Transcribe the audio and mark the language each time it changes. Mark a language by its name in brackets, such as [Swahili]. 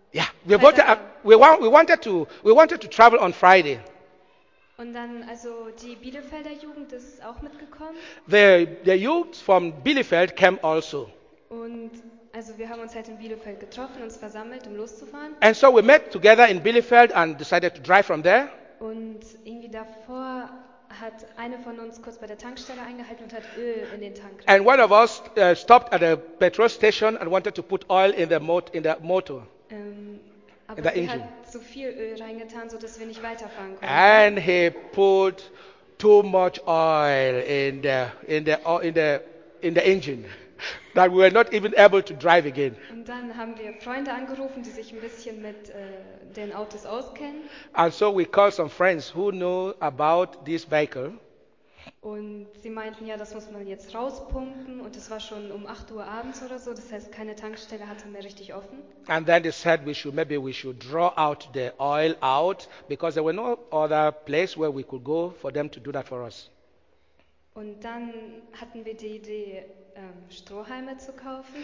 [English] Ja, we wanted to travel on Friday. [German] Und dann, also die Bielefelder Jugend ist auch mitgekommen. [English] The youth from Bielefeld came also. [German] Und also wir haben uns halt in Bielefeld getroffen, uns versammelt, um loszufahren. [English] And so we met together in Bielefeld and decided to drive from there. [German] Und irgendwie davor hat eine von uns kurz bei der Tankstelle eingehalten und hat Öl in den Tank gelegt. [English] And one of us stopped at a petrol station and wanted to put oil in the motor. [German] Aber er hat zu viel Öl reingetan, so dass wir nicht weiterfahren konnten. [English] And he put too much oil in the engine that we were not even able to drive again. [German] Und dann haben wir Freunde angerufen, die sich ein bisschen mit den Autos auskennen. [English] And so we called some friends who know about this vehicle. [German] Und sie meinten, ja, das muss man jetzt rauspumpen. Und es war schon um 8 Uhr abends oder so. Das heißt, keine Tankstelle hatte mehr richtig offen. [English] And then they said, maybe we should draw out the oil out, because there were no other place where we could go for them to do that for us. [German] Und dann hatten wir die Idee, Strohhalme zu kaufen.